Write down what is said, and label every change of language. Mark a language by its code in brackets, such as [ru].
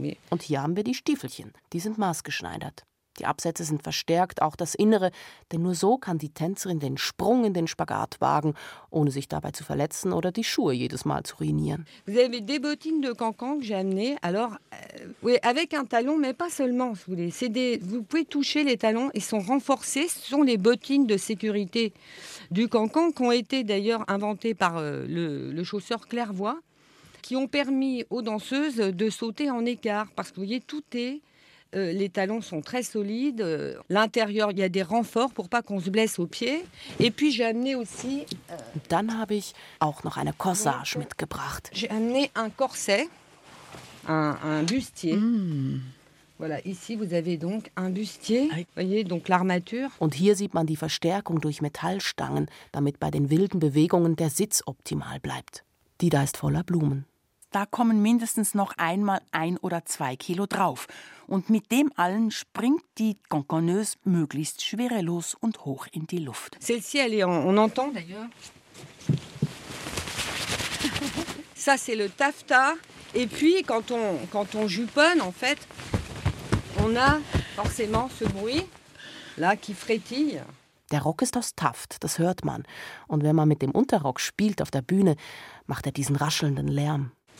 [de] Und hier haben wir die Stiefelchen. Die sind maßgeschneidert. Die Absätze sind verstärkt, auch das Innere. Denn nur so kann die Tänzerin den Sprung in den Spagat wagen, ohne sich dabei zu verletzen oder die Schuhe jedes Mal zu ruinieren. [fr] Vous avez des bottines de cancan que j'ai amenées. Alors, oui, avec un talon, mais pas seulement, si vous voulez. C'est des, vous pouvez toucher les talons, ils sont renforcés. Ce sont les bottines de sécurité du cancan qui ont été d'ailleurs inventées par le chausseur Clairvoy. Qui ont permis aux danseuses de sauter en écart. Parce que vous voyez, tout est. Les talons sont très solides. L'intérieur, il y a des renforts pour pas qu'on se blesse aux pieds. Et puis j'ai amené aussi. [de] Dann habe ich auch noch eine corsage mitgebracht. [fr] J'ai amené un corset, un bustier. Voilà, ici vous avez donc un bustier. Vous voyez, donc l'armature. [de] Und hier sieht man die Verstärkung durch Metallstangen, damit bei den wilden Bewegungen der Sitz optimal bleibt. Die da ist voller Blumen. Da kommen mindestens noch einmal 1 oder 2 Kilo drauf. Und mit dem allen springt die Cancaneuse möglichst schwerelos und hoch in die Luft. [fr] Celle-ci, elle est en, on entend d'ailleurs. Ça, c'est le taffetas. Et puis, quand on jupone, en fait, on a forcément ce bruit là qui frétille. [de] Der Rock ist aus Taft, das hört man. Und wenn man mit dem Unterrock spielt auf der Bühne, macht er diesen raschelnden Lärm.